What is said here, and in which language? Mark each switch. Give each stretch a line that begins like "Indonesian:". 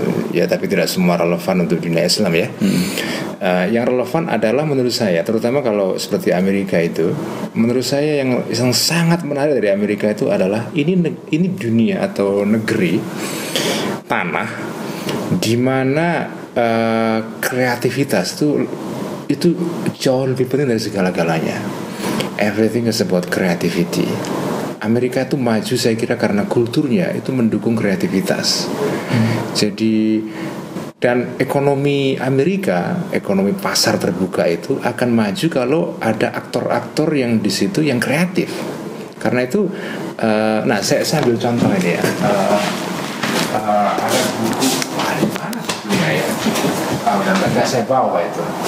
Indonesian: Ya tapi tidak semua relevan untuk dunia Islam ya. Yang relevan adalah menurut saya, terutama kalau seperti Amerika itu, menurut saya yang sangat menarik dari Amerika itu adalah ini dunia atau negeri tanah di mana kreativitas itu jauh lebih penting dari segala-galanya.
English: Everything is about creativity.
Indonesian: Amerika itu maju saya kira karena kulturnya itu mendukung kreativitas. Jadi dan ekonomi Amerika, ekonomi pasar terbuka itu akan maju kalau ada aktor-aktor yang di situ yang kreatif. Karena itu, saya ambil contoh ini ya. Ada buku hari mana sebelumnya ya? Tidak saya bawa itu.